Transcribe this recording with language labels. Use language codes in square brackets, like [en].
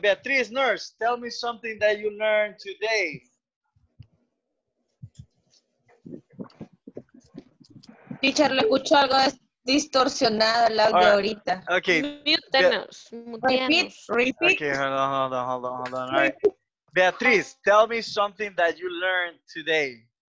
[en] Beatriz Nurse, tell me something that you learned today. [es] Teacher, le escucho algo distorsionado el audio ahorita. [en] Ok. Repeat. Ok, hold on. All right. Beatriz, tell me something that you learned today.